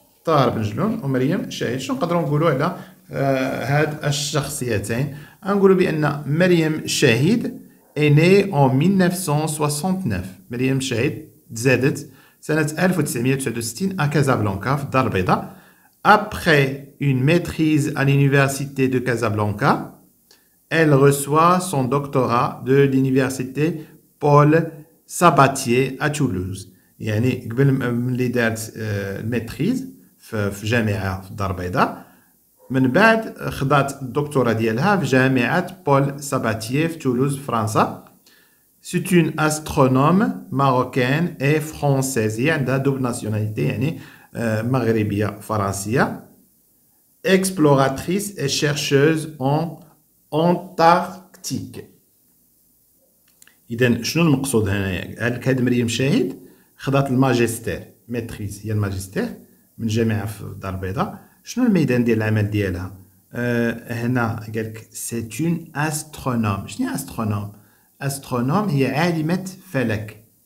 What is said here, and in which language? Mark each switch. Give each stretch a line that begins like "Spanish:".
Arabic: طاهر بن جلون ومريم شهيد، شنو نقدروا نقولوا على هاد الشخصيتين؟ نقولوا بان مريم شهيد
French: ايني اون
Arabic: 1969. مريم شهيد تزادت سنه 1969 ا كازابلانكا، في الدار البيضاء.
French: Après une maîtrise à l'université de Casablanca, elle reçoit son doctorat de l'université Paul Sabatier à Toulouse.
Arabic: يعني قبل ملي دارت الماتريز في جامعة الدار البيضاء، من بعد خدات الدكتوراه ديالها في جامعة بول ساباتيه في تولوز فرنسا.
French: C'est une astronome marocaine et française.
Arabic: هي عندها
French: double nationalité،
Arabic: يعني مغربية فرنسية.
French: exploratrice et chercheuse en Antarctique.
Arabic: إذن شنو المقصود هنا؟ هل كاد مريم شاهد خدات الماجستير، ماتريز هي الماجستير من جامعة في الدار البيضاء. شنو الميدان ديال العمل ديالها؟ هنا قالك
French: c'est une astronome.
Arabic: شنو هي astronome؟ astronome هي عالمة فلك.